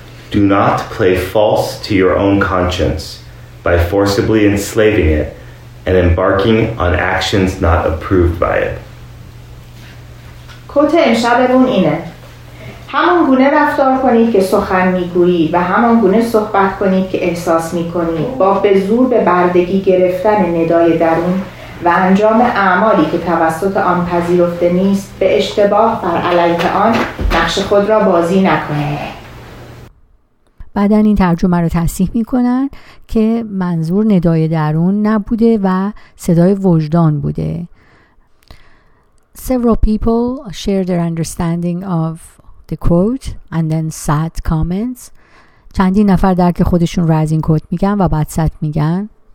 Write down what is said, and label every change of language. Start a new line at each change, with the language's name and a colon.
English: Do not play false to your own conscience by forcibly enslaving it and embarking on actions not approved by it.
Persian: کوته امشبمون اینه. همان گونه رفتار کنید که سخن میگویید و همان گونه صحبت کنید که احساس میکنید با به زور به بردگی گرفتن ندای درون و انجام اعمالی که توسط آن پذیرفته نیست به اشتباه بر علیه آن نقش خود را بازی نکنید. بعدن این ترجمه رو تصحیح میکنن که منظور ندای درون نبوده و صدای وجدان بوده.
English: Several people shared their understanding of the quote and then sad comments.
Persian: چندی نفر درک خودشون رو از این کوت میگن و بعد سد میگن.